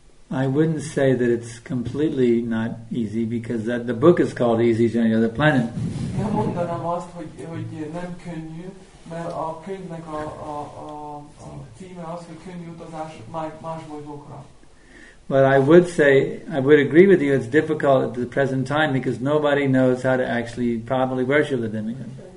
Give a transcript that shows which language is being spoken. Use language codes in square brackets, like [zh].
[en] I wouldn't say that it's completely not easy because that the book is called Easy Journey to the Planet. [hu] Nem mondanám azt, hogy nem könnyű, mert a könyvnek a címe az, hogy könnyű utazás más bolygókra. [en] But I would say, I would agree with you, it's difficult at the present time because nobody knows how to actually properly worship the demigod.